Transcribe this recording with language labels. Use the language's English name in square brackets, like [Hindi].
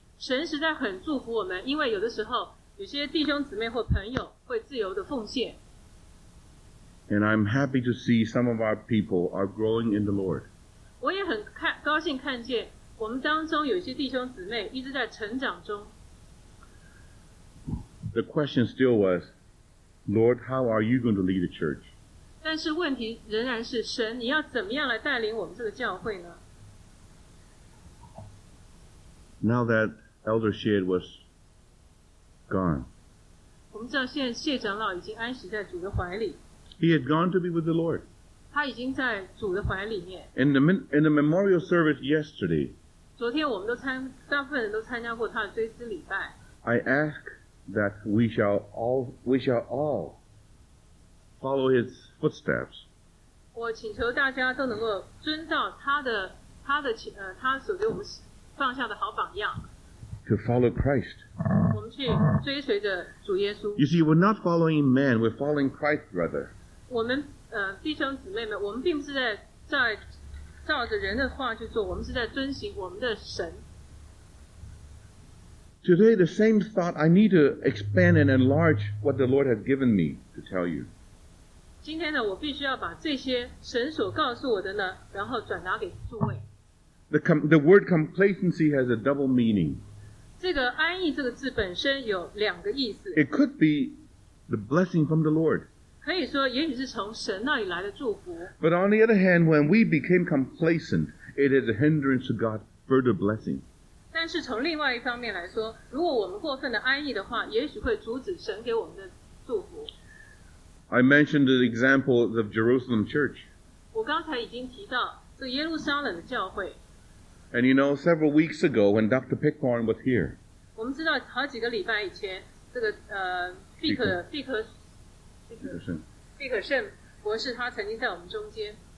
[Chinese] 神实在很祝福我们，因为有的时候有些弟兄姊妹或朋友会自由的奉献。 [English] And I'm happy to see some of our people are growing in the Lord. [Chinese] 我也很高兴看见我们当中有些弟兄姊妹一直在成长中。 [English] The question still was, Lord, how are you going to lead the church? [Chinese] 但是问题仍然是，神，你要怎么样来带领我们这个教会呢？ [English] Now that Elder Shed was gone. [Chinese] 我们知道现在谢长老已经安息在主的怀里。 [English] He had gone to be with the Lord. [Chinese] 他已经在主的怀里面。 [English] In the memorial service yesterday, [Chinese] 昨天我们大部分人都参加过他的追思礼拜。 [English] I ask that we shall all follow his footsteps. [Chinese] 我请求大家都能够遵照他所给我们放下的好榜样。 [English] To follow Christ. You see, we're not following man, we're following Christ, brother. [Chinese] 我们, 弟兄姊妹们, 我们并不是在照着人的话去做，我们是在遵循我们的神。 [English] Today, the same thought, I need to expand and enlarge what the Lord has given me to tell you. [Chinese] 今天呢, 我必须要把这些神所告诉我的呢, 然后转达给诸位。 [English] The word complacency has a double meaning. [Chinese] 这个安逸这个字本身有两个意思。 [English] It could be the blessing from the Lord. [Chinese] 可以说也许是从神那里来的祝福。 [English] But on the other hand, when we became complacent, it is a hindrance to God's further blessing. [Chinese] 但是从另外一方面来说, 如果我们过分的安逸的话, 也许会阻止神给我们的祝福。 [English] I mentioned the example of Jerusalem Church. [Chinese] 我刚才已经提到这耶路撒冷的教会。 [English] And you know, several weeks ago, when Dr. Pickhorn was here, [Chinese] 我们知道好几个礼拜以前，这个毕可胜博士他曾经在我们中间。